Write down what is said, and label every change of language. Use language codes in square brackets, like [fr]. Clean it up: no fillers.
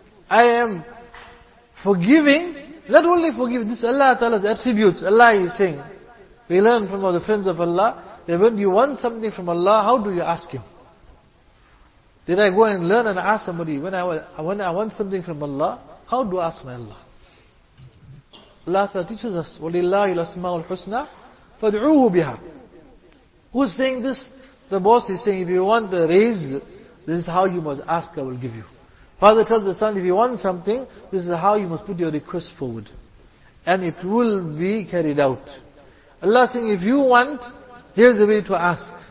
[en] I am forgiving. Not only forgiving, this is Allah Ta'ala's attributes. Allah is saying, we learn from the friends of Allah, that when you want something from Allah, how do you ask Him? Did I go and learn and ask somebody, when I want something from Allah, how do I ask my Allah? Allah Ta'ala teaches us, [ar] وَلِلَّهِ الْأَسْمَاءُ الْحُسْنَى فَادْعُوهُ بِهَا. [en] Who's saying this? The boss is saying, if you want the raise, this is how you must ask, I will give you. Father tells the son, if you want something, this is how you must put your request forward. And it will be carried out. Allah is saying, if you want, here's the way to ask.